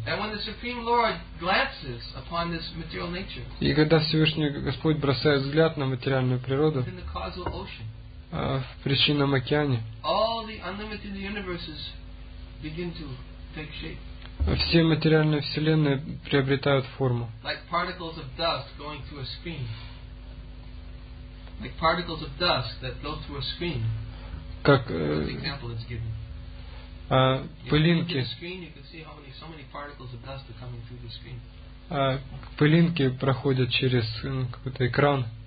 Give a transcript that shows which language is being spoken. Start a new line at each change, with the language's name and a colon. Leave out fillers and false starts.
English: And when the Supreme Lord glances upon this material nature.
Russian: И когда Всевышний Господь бросает взгляд на материальную природу.
English: In the causal ocean.
Russian: В причинном океане.
English: All the unlimited universes begin to take shape.
Russian: Все материальные вселенные приобретают форму.
English: Like particles of dust going through a screen. Like particles of dust that go through a screen.
Russian: Как
English: example it's given.
Russian: Пылинки.
English: Screen, you can see how many, so many particles of dust are coming through the screen.
Russian: Пылинки проходят через какой-то экран.